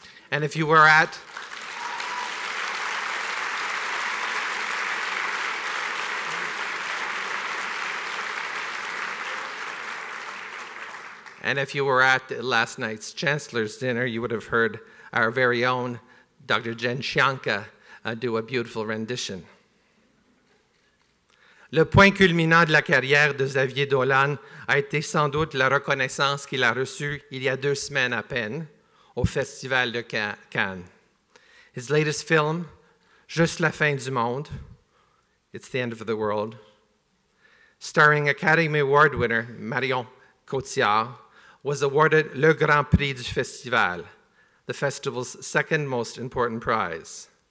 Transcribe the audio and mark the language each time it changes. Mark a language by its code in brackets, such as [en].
[en] And if you were at last night's Chancellor's Dinner, you would have heard our very own Dr. Jen Shianka do a beautiful rendition. [fr] Le point culminant de la carrière de Xavier Dolan a été sans doute la reconnaissance qu'il a reçue il y a 2 semaines à peine au Festival de Cannes. [en] His latest film, Juste la fin du monde, It's the End of the World, starring Academy Award winner Marion Cotillard, was awarded Le Grand Prix du Festival, the festival's second most important prize.